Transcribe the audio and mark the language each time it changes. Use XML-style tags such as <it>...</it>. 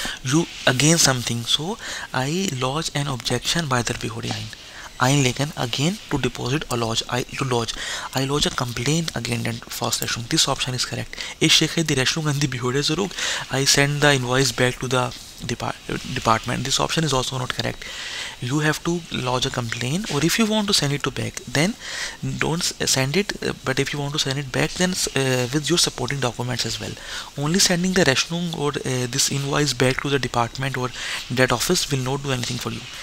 <en>You against something. So I lodge an objection by the behavior. Einlegen again to deposit or lodge. I lodge a complaint against and false Rechnung. This option is correct.</en> <de>Ich schicke die Rechnung an die Behörde zurück.</de> <en>I send the invoice back to the department. This option is also not correct. You have to lodge a complaint, or if you want to send it to back, then don't send it. But if you want to send it back, then with your supporting documents as well. Only sending the Rechnung or this invoice back to the department or debt office will not do anything for you.</en>